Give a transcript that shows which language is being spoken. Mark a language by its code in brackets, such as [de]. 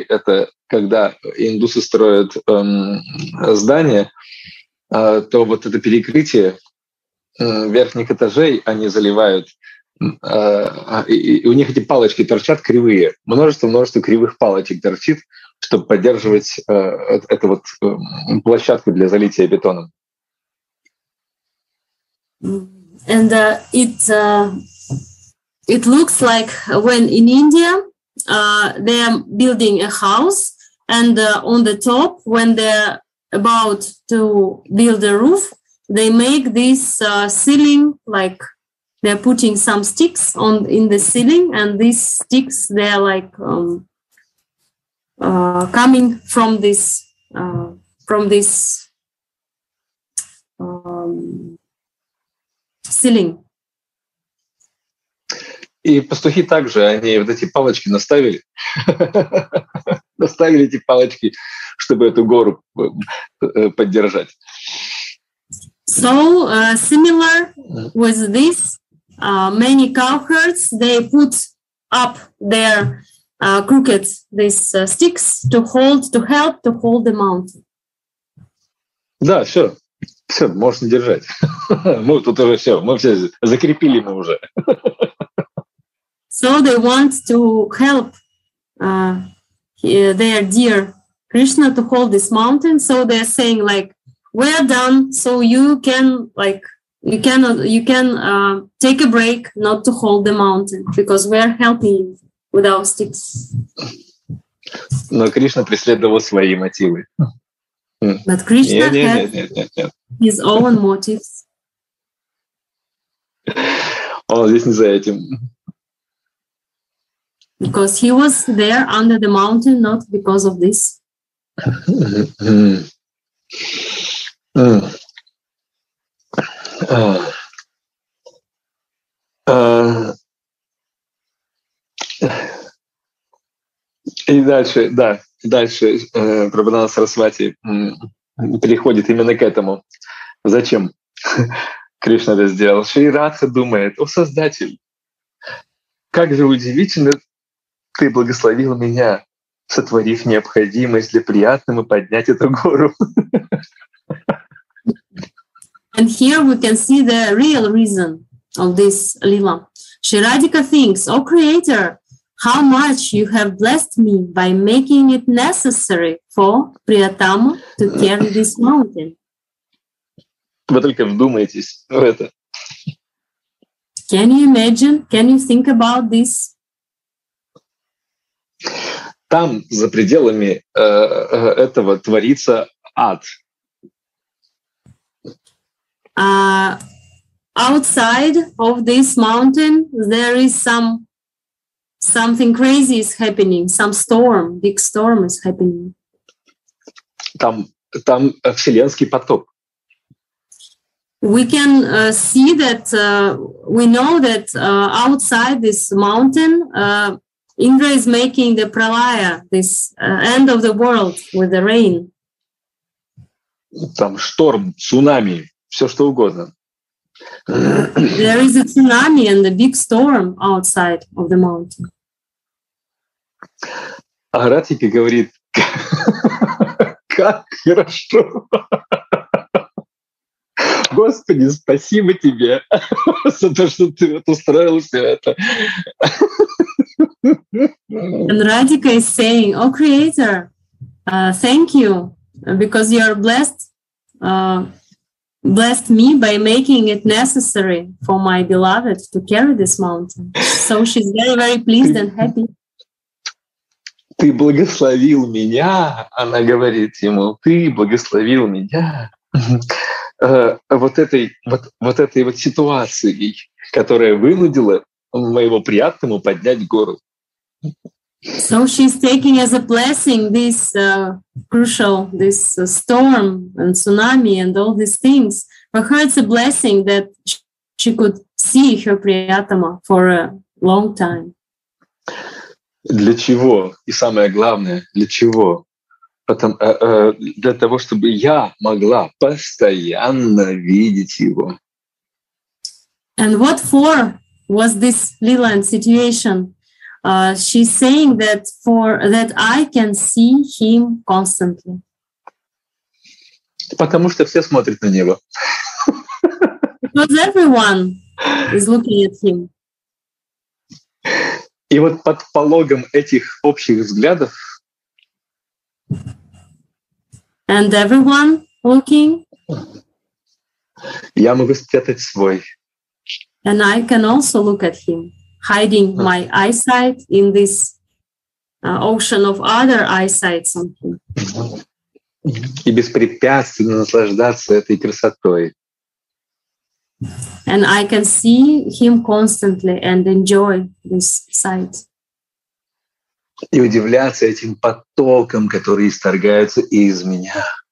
[ru] Это когда индусы строят здание, то вот это перекрытие верхних этажей они заливают, и у них эти палочки торчат кривые, множество кривых палочек торчит, чтобы поддерживать эту вот площадку для залития бетоном. [en] And it looks like when in India they are building a house, and on the top, when they're about to build a roof, they make this ceiling, like they're putting some sticks on in the ceiling, and these sticks, they're like coming from this ceiling. [ru] И пастухи также, они вот эти палочки наставили, наставили эти палочки, чтобы эту гору поддержать. [en] So similar with this, many cowherds, they put up their crooked these sticks to help the mountain. [ru] Да, все. Все, можно держать. Мы тут уже все, мы все закрепили мы уже. [en] So they want to help their dear Krishna to hold this mountain. So they're saying like, we are done. So you can like, you can take a break not to hold the mountain because we are helping you with our sticks. [ru] Но Кришна преследовал свои мотивы. [en] But Krishna had his own motives. [ru] Он здесь не за этим. [en] Because he was there under the mountain, not because of this. [ru] И дальше, да. Дальше Прабхупада Сарасвати переходит именно к этому. Зачем Кришна это сделал? Шри Радха думает, о Создатель, как же удивительно, Ты благословил меня, сотворив необходимость для приятным и поднять эту гору. [en] And here we can see the real reason of this lila. Shri Radhika thinks, O Creator, how much you have blessed me by making it necessary for Priyatama to carry this mountain. [ru] Вы только вдумайтесь в это. [en] Can you imagine? Can you think about this? [ru] Там, за пределами этого, творится ад. [en] Outside of this mountain, there is something crazy is happening, some storm, big storm is happening. [ru] Там вселенский поток. [en] We can see that, we know that outside this mountain, Indra is making the pralaya, this end of the world with the rain. [ru] Там шторм, цунами, все что угодно. [en] There is a tsunami and a big storm outside of the mountain. [ru] А Радхика говорит, как хорошо. Господи, спасибо тебе за то, что ты вот устроил все это. [en] And Radhika is saying, oh, Creator, thank you, because you are blessed me by making it necessary for my beloved to carry this mountain. So she's very, very pleased and happy. [ru] Ты благословил меня, она говорит ему, ты благословил меня. Вот этой ситуацией, которая вынудила моего приятного поднять гору. [en] So she's taking as a blessing this crucial, this storm and tsunami and all these things. For her it's a blessing that she could see her Priyatama for a long time. [ru] Для чего? И самое главное, для чего? Потом, для того, чтобы я могла постоянно видеть его. [en] And what for was this lila and situation? She's saying that for that I can see him constantly. [ru] Потому что все смотрят на него. [en] Because everyone is looking at him. [ru] И вот под пологом этих общих взглядов. [en] And everyone looking. [ru] Я могу спрятать свой. [en] And I can also look at him, hiding my eyesight in this ocean of other eyesights on him. [ru] И беспрепятственно наслаждаться этой красотой. [en] And I can see him constantly and enjoy this sight. [ru] И удивляться этим потоком, который исторгается из меня.